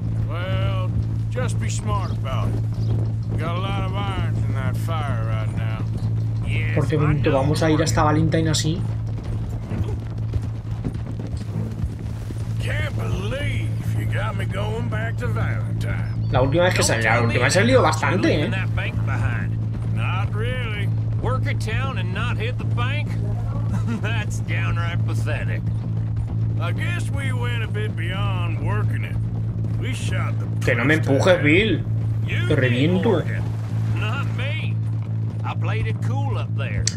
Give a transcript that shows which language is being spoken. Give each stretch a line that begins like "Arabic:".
English: Well, just be smart about it. Got a lot of irons in that fire right now.
Spanish: Porque vamos a ir hasta Valentine así.
English: Can't believe you got me going back to Valentine.
Spanish: La última vez que salió, la última vez salió bastante, ¿eh?
English: Not really. Work a town and not hit the bank? That's downright pathetic. I guess we went a bit beyond working it. We shot the.
Spanish: Que no me empujes, Bill. Te reviento.
English: Not me. I played it cool up there.